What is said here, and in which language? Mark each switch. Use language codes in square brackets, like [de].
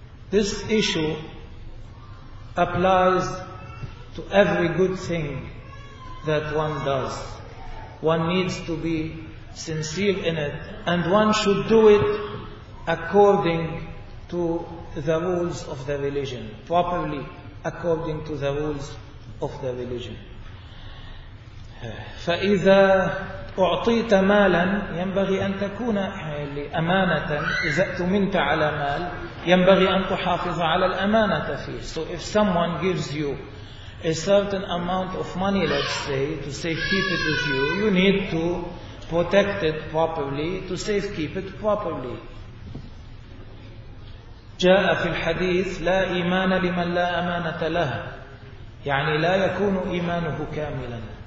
[en] This issue applies to every good thing that one does. One needs to be sincere in it, and one should do it according to the rules of the religion, properly according to the rules of the religion. [ar] فإذا أعطيت مالا ينبغي أن تكون أمانة. إذا أؤتمنت على مال ينبغي أن تحافظ على الأمانة فيه. [en] So if someone gives you a certain amount of money, let's say, to safekeep it with you, you need to protect it properly, to safekeep it properly. [ar] جاء في الحديث لا إيمان لمن لا أمانة له, يعني لا يكون إيمانه كاملا.